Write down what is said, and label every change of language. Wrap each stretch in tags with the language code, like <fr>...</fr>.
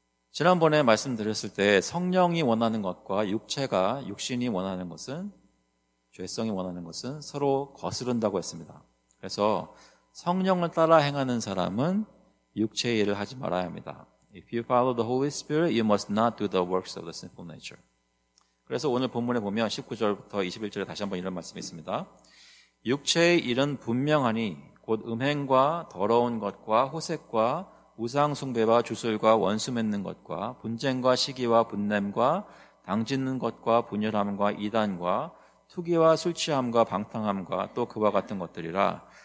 <ko>지난번에 말씀드렸을 때 성령이 원하는 것과 육체가, 육신이 원하는 것은, 죄성이 원하는 것은 서로 거스른다고 했습니다. 그래서 성령을 따라 행하는 사람은 육체의 일을 하지 말아야 합니다.</ko> <en>If you follow the Holy Spirit, you must not do the works of the sinful nature.</en> <ko>그래서 오늘 본문에 보면 19절부터 21절에 다시 한번 이런 말씀이 있습니다. 육체의 일은 분명하니 곧 음행과 더러운 것과 호색과 우상 숭배와 주술과 원수 맺는 것과 분쟁과 시기와 분냄과 당짓는 것과 분열함과 이단과 투기와 술 취함과 방탕함과 또 그와 같은 것들이라.</ko>